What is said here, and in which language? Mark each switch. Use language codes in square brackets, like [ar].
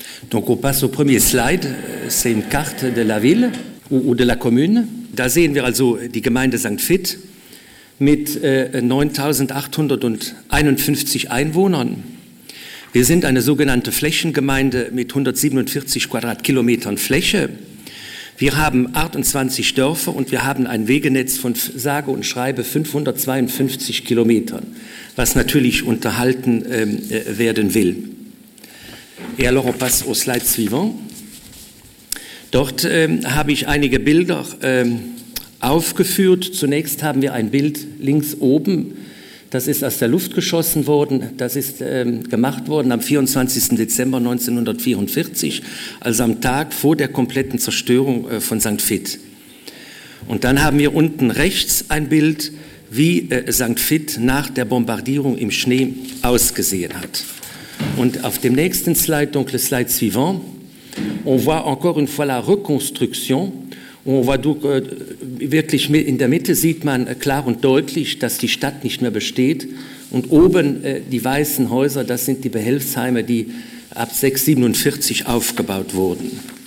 [fr] Donc, on passe au premier slide, c'est une carte de la ville ou de la commune. [de] Da sehen wir also die Gemeinde St. Vith mit 9.851 Einwohnern. Wir sind eine sogenannte Flächengemeinde mit 147 Quadratkilometern Fläche. Wir haben 28 Dörfer und wir haben ein Wegenetz von sage und schreibe 552 Kilometern, was natürlich unterhalten werden will. [fr] Et alors on passe au slide suivant. [de] Dort habe ich einige Bilder aufgeführt. Zunächst haben wir ein Bild links oben. Das ist aus der Luft geschossen worden. Das ist gemacht worden am 24. Dezember 1944, also am Tag vor der kompletten Zerstörung von St. Vith. Und dann haben wir unten rechts ein Bild, wie St. Vith nach der Bombardierung im Schnee ausgesehen hat. Und auf dem nächsten Slide, [fr] donc le slide suivant, on voit encore une fois la reconstruction. On voit donc, [de] wirklich in der Mitte sieht man klar und deutlich, dass die Stadt nicht mehr besteht. Und oben die weißen Häuser, das sind die Behelfsheime, die ab 1947 aufgebaut wurden.